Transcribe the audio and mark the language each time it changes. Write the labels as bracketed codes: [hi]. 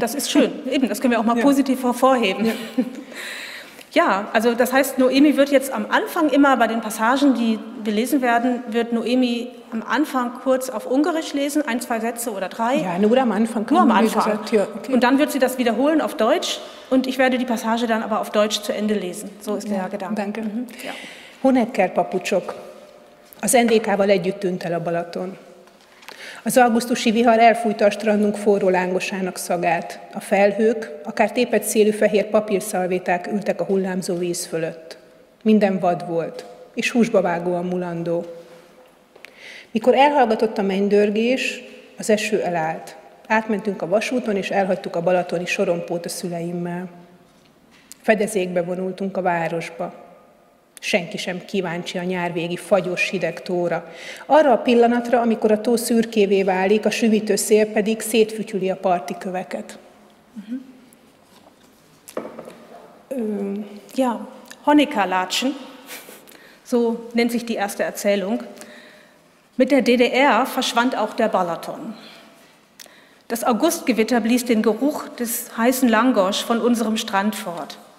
[de] Das ist schön, eben, das können wir auch mal positiv hervorheben. Ja. Ja, also das heißt, Noemi wird jetzt am Anfang immer bei den Passagen, die gelesen werden, wird Noemi am Anfang kurz auf Ungarisch lesen, ein, zwei Sätze oder drei. Ja, nur am Anfang. Nur am Anfang. Gesagt, ja, okay. Und dann wird sie das wiederholen auf Deutsch und ich werde die Passage dann aber auf Deutsch zu Ende lesen. So ist der Gedanke. [hu] Danke. Honecker papucsok. Az NDK-val együtt tűnt el a Balaton. Az augusztusi vihar elfújta a strandunk forró lángosának szagát. A felhők, akár tépet szélű fehér papírszalvéták ültek a hullámzó víz fölött. Minden vad volt, és húsba vágóan mulandó. Mikor elhallgatott a mennydörgés, az eső elállt. Átmentünk a vasúton, és elhagytuk a balatoni sorompót a szüleimmel. Fedezékbe vonultunk a városba. Senki sem kíváncsi a nyárvégi fagyos hideg tóra. Arra a pillanatra, amikor a tó szürkévé válik, a süvítő szél pedig szétfütyüli a parti köveket. [de] Ja, Honecker-Latschen, so nennt sich die erste Erzählung. Mit der DDR verschwand auch der Balaton. Das Augustgewitter blies den Geruch des heißen Langosch von unserem Strand fort.